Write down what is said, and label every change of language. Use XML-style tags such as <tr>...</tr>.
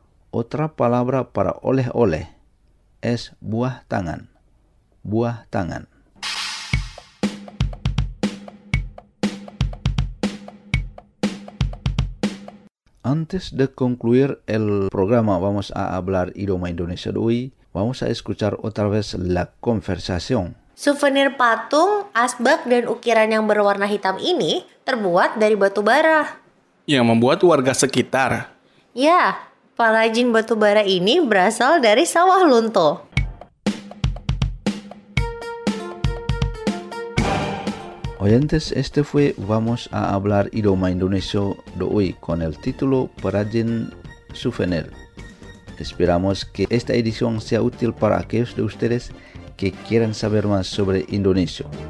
<es>Otra palabra para oleh, oleh, es buah tangan, buah tangan. Antes de concluir el programa, vamos a hablar idioma indonesia de hoy. Vamos a escuchar otra vez la conversación.</es> <id>Souvenir patung, asbak, dan ukiran yang berwarna hitam ini terbuat dari batu bara. Yang membuat warga sekitar. Ya, pengrajin batu bara ini berasal dari sawah lunto.</id> <es>Oyentes, este fue Vamos a hablar idioma indonesio de hoy con el título Perajin Souvenir. Esperamos que esta edición sea útil para aquellos de ustedes que quieran saber más sobre Indonesia.</es>